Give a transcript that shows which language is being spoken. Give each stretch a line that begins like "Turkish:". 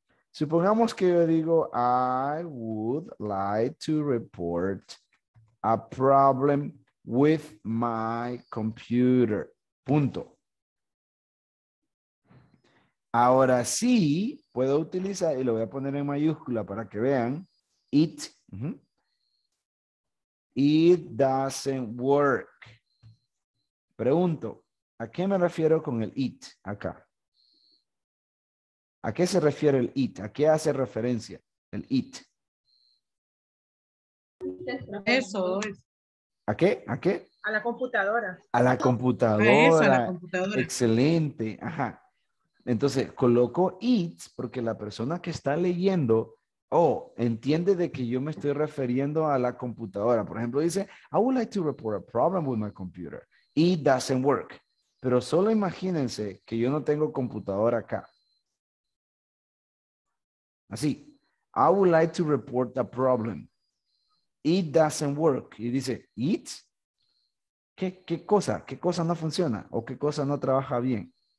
Spanish: Supongamos que yo digo,
English: I would like to report a problem with my computer.
Spanish: Punto. Ahora sí, puedo utilizar, y lo voy a poner en mayúscula para que vean, it.
English: It doesn't work.
Spanish: Pregunto, ¿a qué me refiero con el it acá? ¿A qué se refiere el it? ¿A qué hace referencia el it? Eso. ¿A qué? ¿A qué? A la computadora. A la computadora. Eso, a la computadora. Excelente. Ajá. Entonces, coloco it porque la persona que está leyendo entiende de que yo me estoy refiriendo a la computadora. Por ejemplo, dice,
English: I would like to report a problem with my computer. It doesn't work.
Spanish: Pero solo imagínense que yo no tengo computadora acá. Así.
English: I would like to report a problem. It doesn't work.
Spanish: Y dice,
English: it?
Spanish: ¿Qué cosa? ¿Qué cosa no funciona? ¿O qué cosa no trabaja bien?